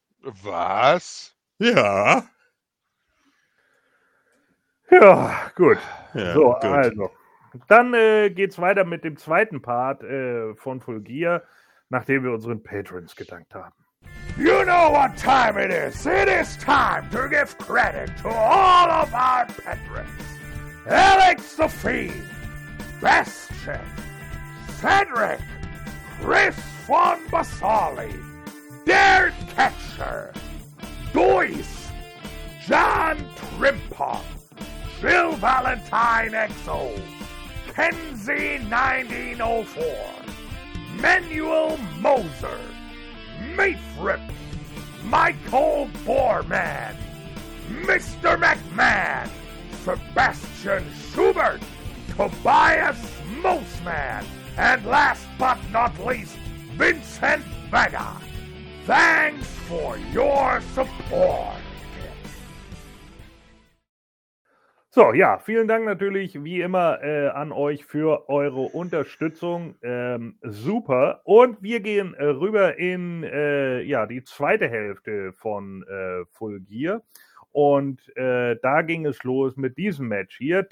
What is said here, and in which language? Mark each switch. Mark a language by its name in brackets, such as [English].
[German] Was? Ja. Ja, gut. Ja, so, gut. Also. Dann geht es weiter mit dem zweiten Part von Full Gear, nachdem wir unseren Patrons gedankt haben. [English] You know what time it is. It is time to give credit to all of our patrons. Alex the Fiend, Bastion, Cedric, Chris von Basali, Dare Catcher, Deuce, John Trimpa, Jill Valentine XO, Kenzie 1904, Manuel Moser, Mayfrip, Michael Borman, Mr. McMahon, Sebastian Schubert, Tobias Mosman, and last but not least, Vincent Vega. Thanks for your support. [German] So, ja, vielen Dank natürlich wie immer an euch für eure Unterstützung. Super. Und wir gehen rüber in die zweite Hälfte von Full Gear. Und da ging es los mit diesem Match hier.